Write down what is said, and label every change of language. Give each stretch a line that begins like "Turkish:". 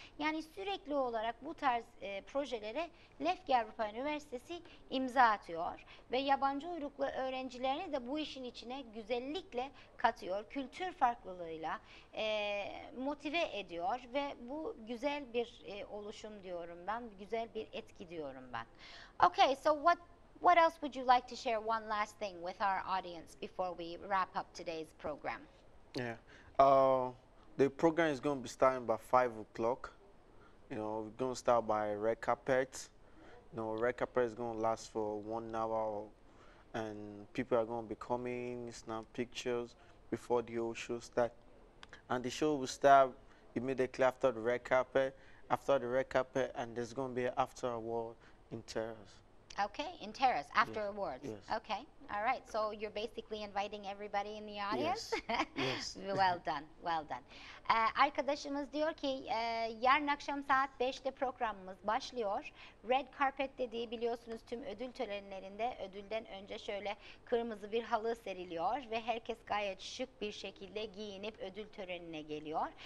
Turkish: Yani sürekli olarak bu tarz projelere Lefke Avrupa Üniversitesi imza atıyor ve yabancı uyruklu öğrencilerini de bu işin içine güzellikle katıyor, kültür farklılığıyla motive ediyor ve bu güzel bir oluşum diyorum ben, güzel bir etki diyorum ben.
English: Okay, so what else would you like to share one last thing with our audience before we wrap up today's program? Yeah, the program is going to be starting by 5 o'clock. You know, we're going to start by red carpet. You know, red carpet is going to last for 1 hour. And people are going to be coming, snap pictures before the whole show starts. And the show will start immediately after the red carpet. After the red carpet, and there's going to be an after award in terrace. Okay, in terrace, after yes. awards. Yes. Okay, all right. So you're basically inviting everybody in the audience? Yes. Well done, well done.
Turkish: Arkadaşımız diyor ki yarın akşam saat 5'te programımız başlıyor. Red carpet dediği biliyorsunuz tüm ödül törenlerinde ödülden önce şöyle kırmızı bir halı seriliyor ve herkes gayet şık bir şekilde giyinip ödül törenine geliyor.